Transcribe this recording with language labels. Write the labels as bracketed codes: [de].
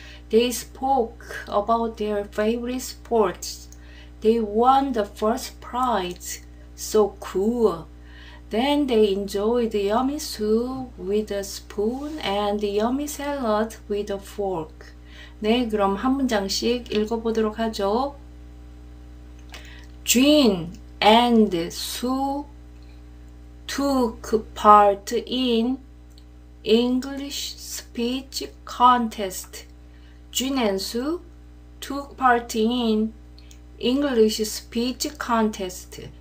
[en] They spoke about their favorite sports. They won the first prize. So cool. Then they enjoyed yummy soup with a spoon and yummy salad with a fork. [ko] 네, 그럼 한 문장씩 읽어보도록 하죠. [en] Jean and Sue took part in English speech contest. Jun and Su took part in English speech contest.